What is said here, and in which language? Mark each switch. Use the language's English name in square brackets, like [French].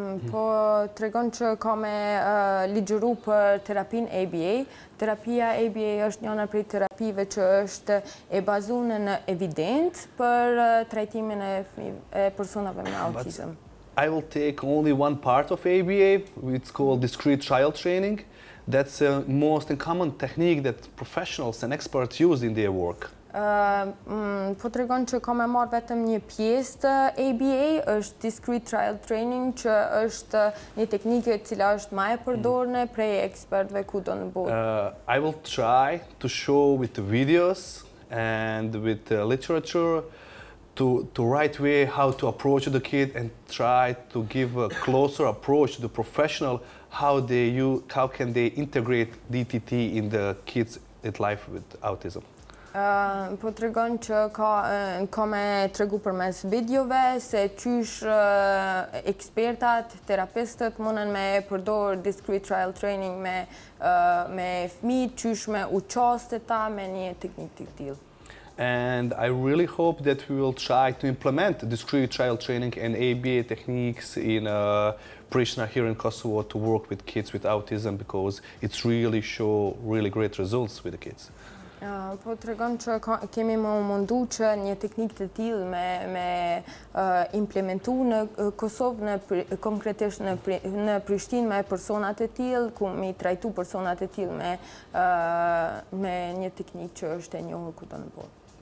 [Albanian] Po tregon që ka me ligjëru për terapin ABA. Terapia ABA është njëna prej terapive që është e bazune në evidencë për trajtimin e personave me autizm. [English] I will take only one part of ABA, it's called discrete child training. That's the most common technique that professionals and experts use in their work. [Albanian] Po tregon që ka me marrë vetëm një pjesë të ABA, është Discrete Child Training, që është një teknikë cila është ma e përdorne prej ekspertve ku do në botë. [English] I will try to show with the videos and with the literature to right way how to approach the kid and try to give a closer approach to the professional, how can they integrate DTT in the kids' life with autism? [Albanian] Po tregon që kome tregu për mes videove se qysh ekspertat, terapistët mundën me përdor discrete trial training me fëmijë, qysh me u qoste ta me një teknikë të tillë. [English] And I really hope that we will try to implement discrete trial training and ABA techniques in Prishtina here in Kosovo to work with kids with autism because it's really show really great results with the kids. [Albanian] Po tregon që kemi më mundu që një teknikë të tillë me implementu në Kosovë, konkretisht në Prishtinë me persona të tillë, ku mi trajtu persona të tillë me një teknikë që është e njohur këtu në botë.